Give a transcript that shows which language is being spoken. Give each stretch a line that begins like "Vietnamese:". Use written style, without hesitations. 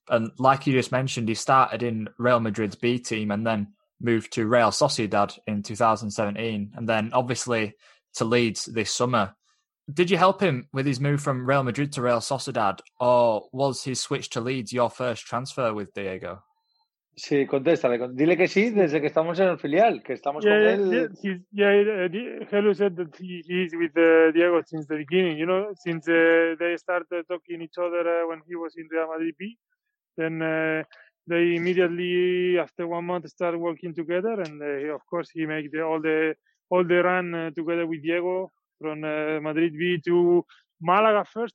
English: And like you just mentioned, he started in Real Madrid's B team and then moved to Real Sociedad in 2017. And then obviously to Leeds this summer. Did you help him with his move from Real Madrid to Real Sociedad? Or was his switch to Leeds your first transfer with Diego?
Spanish: Sí, contéstale. Dile que sí desde que estamos en el filial, que estamos
English: yeah,
Spanish: con
English: yeah,
Spanish: él.
English: Yeah, Helu said that he's with Diego since the beginning, you know, since they started talking each other when he was in Real Madrid B. Then they immediately, after 1 month, started working together. And of course, he made all the run together with Diego from Madrid B to Malaga first.